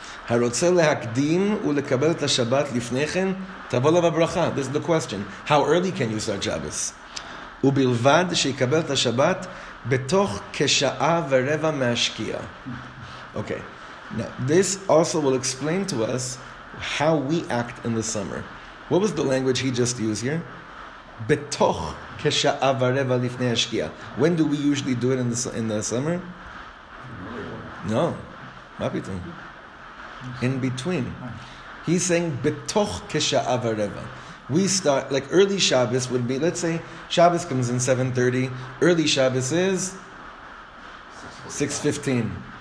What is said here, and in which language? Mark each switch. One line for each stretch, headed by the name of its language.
Hebrew: הרוצה להקדים ולקבל את השבת לפני כן, תבוא לו בברכה.
English: This is the question. How early can you start Shabbos?
Hebrew: ובלבד שיקבל את השבת בתוך כשעה ורבע מהשקיעה.
English: Okay. Now, this also will explain to us how we act in the summer. What was the language he just used here?
Hebrew: בתוך כשעה ורבע לפני השקיעה.
English: When do we usually do it in the summer? No.
Hebrew: מה פתאום?
English: In between. He's saying betoch kesha'a v'reva. We start, like early Shabbos would be, let's say Shabbos comes in 7:30, early Shabbos is 6:15.